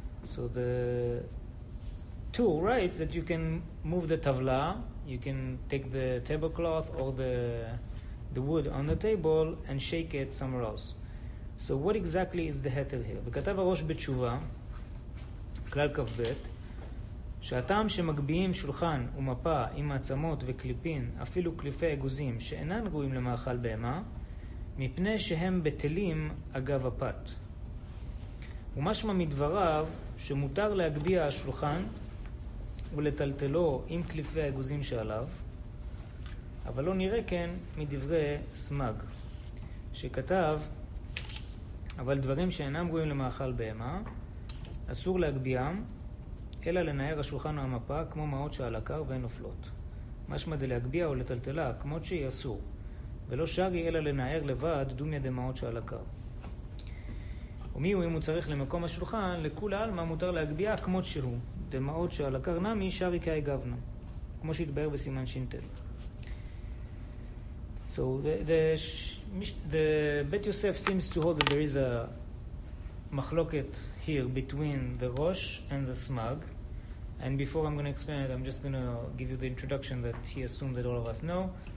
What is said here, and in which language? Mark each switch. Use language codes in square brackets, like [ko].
[en] So the tool writes that you can move the tavla, you can take the tablecloth or the wood on the table and shake it somewhere else. So what exactly is the heter here? [he] V'katav ha-rosh b'tshuva, klal kav bet, שהטעם שמגביעים שולחן ומפה עם עצמות וקליפין, אפילו קליפי אגוזים שאינן רואים למאכל בהמה, מפני שהם בטלים אגב הפת. ומשמע מדבריו שמותר להגביע השולחן ולטלטלו עם קליפי האגוזים שעליו, אבל לא נראה כן מדברי סמג, שכתב, אבל דברים שאינם רואים למאכל בהמה, אסור להגביעם, אלא לנער השולחן או המפה כמו מעות שעל הקר ואין נופלות. משמע דלהגביע או לטלטלה כמות שהיא אסור, ולא שרי אלא לנער לבד דומיה דמעות שעל הקר. ומי הוא אם הוא צריך למקום השולחן, לכול העלמה מותר להגביע כמות שהוא, דמעות שעל הקר נמי שרי כאי גבנה, כמו שהתבאר בסימן שינטל. [en] So the Bet Yosef seems to hold that there is a מחלוקת here between the Rosh and the Smug. And before I'm going to explain it, I'm just going to give you the introduction that he assumed that all of us know.